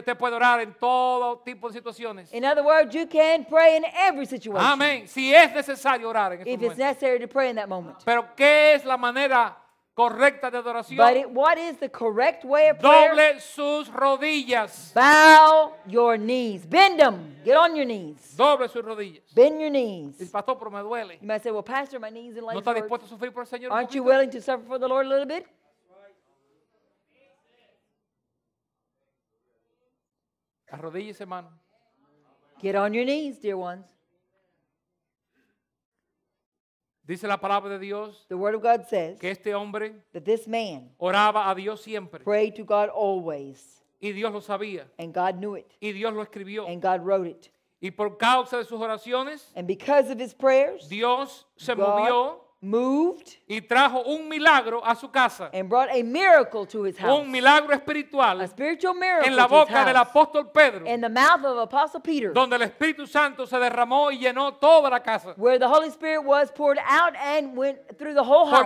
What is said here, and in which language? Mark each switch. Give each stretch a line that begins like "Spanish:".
Spanish: Usted puede orar en todo tipo de situaciones.
English: In other words, you can pray in every situation.
Spanish: Amén. Si es necesario orar en ese
English: if
Spanish: momento.
English: If it's necessary to pray in that moment.
Spanish: Pero ¿qué es la manera correcta de adoración?
English: But what is the correct way of prayer?
Spanish: Doble sus rodillas.
English: Bow your knees. Bend them. Get on your knees.
Spanish: Doble sus rodillas.
English: Bend your knees.
Spanish: El pastor, pero me duele.
English: You might say, well, pastor, my knees and legs
Spanish: ¿no está dispuesto a sufrir por el Señor?
English: Aren't you willing to suffer for the Lord a little bit?
Spanish: Arrodíllese, hermano.
English: Get on your knees, dear ones.
Spanish: Dice la palabra de Dios.
English: The word of God says.
Spanish: Que este hombre.
English: That this man.
Spanish: Oraba a Dios siempre.
English: Prayed to God always.
Spanish: Y Dios lo sabía.
English: And God knew it.
Spanish: Y Dios lo escribió.
English: And God wrote it.
Spanish: Y por causa de sus oraciones.
English: And because of his prayers.
Spanish: Dios se
English: God
Spanish: movió.
English: Moved.
Spanish: Y trajo un milagro a su casa.
English: And brought a miracle to his house.
Spanish: Un milagro espiritual.
English: A spiritual miracle.
Spanish: En la boca
English: to his
Spanish: del apóstol Pedro.
English: In the mouth of Apostle Peter.
Spanish: Donde el Espíritu Santo se derramó y llenó toda la casa.
English: Where the Holy Spirit was poured out and went through the whole house.